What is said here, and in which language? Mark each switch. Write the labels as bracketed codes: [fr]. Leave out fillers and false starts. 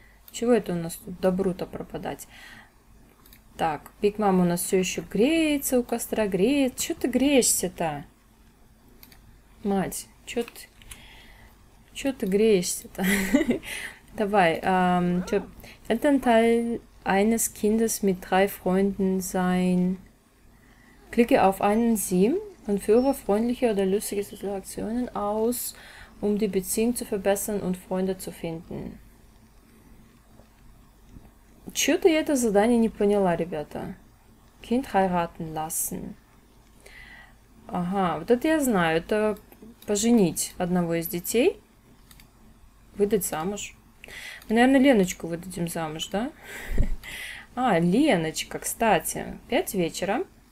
[ru] Чего это у нас тут добру-то пропадать? Так, Биг Мам у нас все еще греется у костра, греет. Чего ты греешься-то? Мать, чего ты греешься-то? Давай, Элтенталь. [de] Eines Kindes mit drei Freunden sein. Klicke auf einen Sim und führe freundliche oder lustige Situationen aus, um die Beziehung zu verbessern und Freunde zu finden. [ru] Чего-то я это задание не поняла, ребята. [de] Kind heiraten lassen. [ru] Ага, вот это я знаю. Это поженить одного из детей. Выдать замуж. Мы, наверное, Леночку выдадим замуж, да? А, Леночка, кстати, 5 вечера.